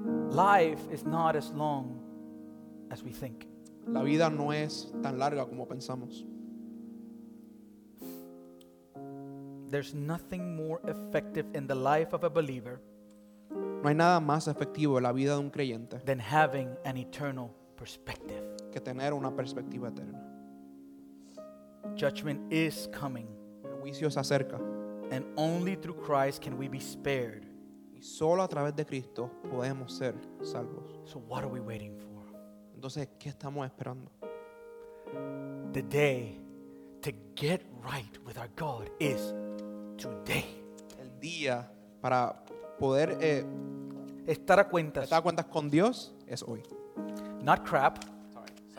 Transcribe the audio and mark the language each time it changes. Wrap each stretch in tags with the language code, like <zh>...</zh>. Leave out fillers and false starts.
<en>Life is not as long as we think.</en> <es>La vida no es tan larga como pensamos.</es> <en>There's nothing more effective in the life of a believer.</en> <es>No hay nada más efectivo en la vida de un creyente.</es> <en>Than having an eternal perspective.</en> <es>Que tener una perspectiva eterna.</es> <en>Judgment is coming.</en> <es>El juicio se acerca.</es> <en>And only through Christ can we be spared.</en> <es>Y solo a través de Cristo podemos ser salvos.</es> <en>So what are we waiting for?</en> <es>Entonces, ¿qué estamos esperando?</es> <en>The day to get right with our God is today.</en> <es>El día para poder estar a cuentas con Dios es hoy.</es> <en>Not crap. Sorry.</en>